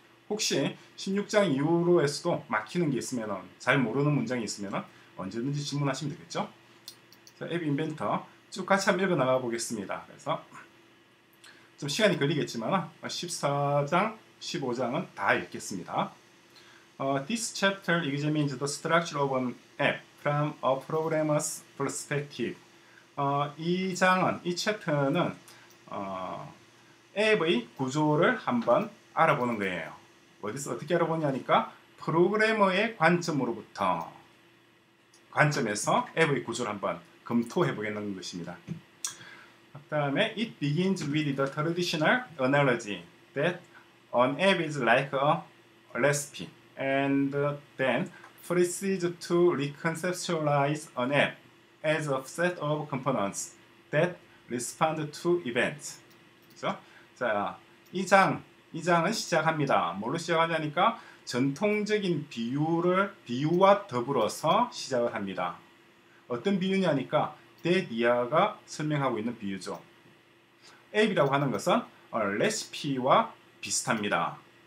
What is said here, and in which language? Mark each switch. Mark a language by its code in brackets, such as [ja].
[ko] 혹시 16장 이후로에서도 막히는 게 있으면, 잘 모르는 문장이 있으면 언제든지 질문하시면 되겠죠? 자, 앱 인벤터 쭉 같이 한번 읽어나가 보겠습니다. 그래서 좀 시간이 걸리겠지만 14장, 15장은 다 읽겠습니다. [en] This chapter examines the structure of an app from a programmer's perspective. [ko] 이 챕터는 앱의 구조를 한번 알아보는 거예요. 어디서 어떻게 알아보냐니까 프로그래머의 관점에서 앱의 구조를 한번 검토해 보겠는 것입니다. 그다음에 [en] it begins with the traditional analogy that an app is like a recipe and then proceeds to reconceptualize an app as a set of components that respond to events. [ko] 그렇죠? 자, 이 장은 시작합니다. 뭘로 시작하냐니까 전통적인 비유와 더불어서 시작을 합니다. 어떤 비유냐니까 데디아가 설명하고 있는 비유죠. 앱이라고 하는 것은 레시피와 비슷합니다.